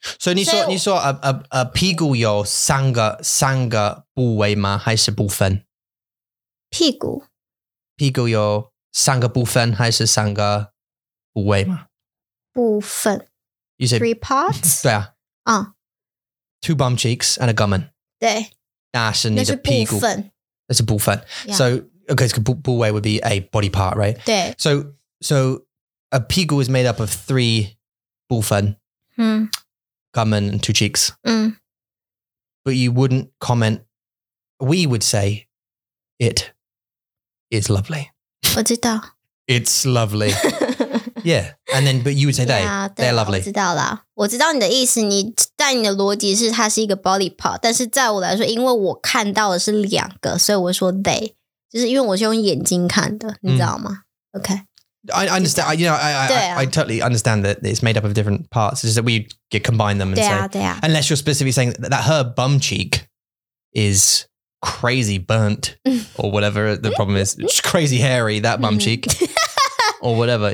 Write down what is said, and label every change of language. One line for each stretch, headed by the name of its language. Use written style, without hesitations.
Chinese: 所以你说 屁股有三个部位吗 还是部分 屁股有三个部分还是三个部位吗部分
English: you say, three parts
Chinese: 对啊
English: two bum cheeks and a gummon
Chinese: 对那是你的屁股那是部分 那是部分
English: yeah. so Okay, because so buwei would be a body part, right?
Chinese: 对.
English: So a pigu is made up of three bufen, gummon, and two cheeks. But you wouldn't comment, we would say, it is lovely.
Chinese: 我知道.
English: It's lovely. yeah. And then, but you would say they, yeah, they're lovely.
Chinese: 我知道你的意思,你的逻辑是它是一个 body part, 但是在我来说,因为我看到的是两个, 所以我说they. 就是因为我是用眼睛看的，你知道吗？
English: OK, I understand. You know, I totally understand that it's made up of different parts. It's just that we combine them. And
Chinese: 对啊,
English: say,
Chinese: 对啊.
English: Unless you're specifically saying that her bum cheek is crazy burnt or whatever the problem is. It's crazy hairy, that bum cheek or whatever.